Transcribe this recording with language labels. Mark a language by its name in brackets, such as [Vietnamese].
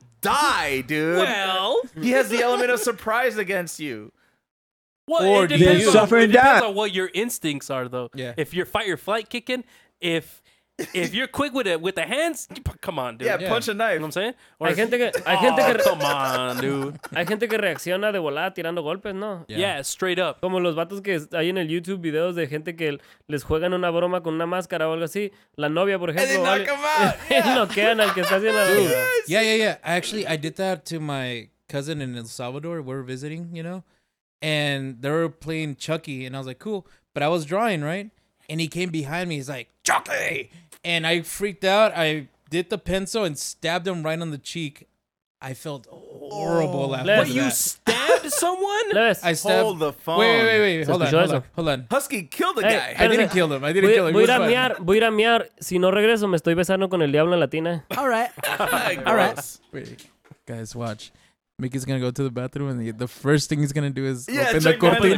[English] Die, dude. Well, he has the element of surprise against you. Well, or it depends, on what your instincts are, though. Yeah. If your fight or flight kicking, if you're quick with it with the hands, come on, dude. Yeah, punch a knife. You know what I'm saying? come on, dude. [Spanish] Hay gente que reacciona de volada tirando golpes, ¿no? [English] Yeah, straight up. [Spanish] Como los vatos que hay en el YouTube videos de gente que les juegan una broma con una máscara o algo así. La novia, por ejemplo. [English] And they knock him out. [Spanish] Noquean al que está haciendo la broma. [English] Yeah. Actually, I did that to my cousin in El Salvador. We're visiting, you know? And they were playing Chucky, and I was like, cool. But I was drawing, right? And he came behind me. He's like, Chucky! And I freaked out. I did the pencil and stabbed him right on the cheek. I felt horrible after that. What, you stabbed someone? I stabbed. Hold the phone. Wait. Hold on. Husky killed the guy. I didn't kill him. [Spanish] Voy a ir a mear. Si no regreso, me estoy besando con el diablo en Latina. [English] All right. All right. Wait. Guys, watch. Mickey's going to go to the bathroom, and the first thing he's going to do is open the cortina.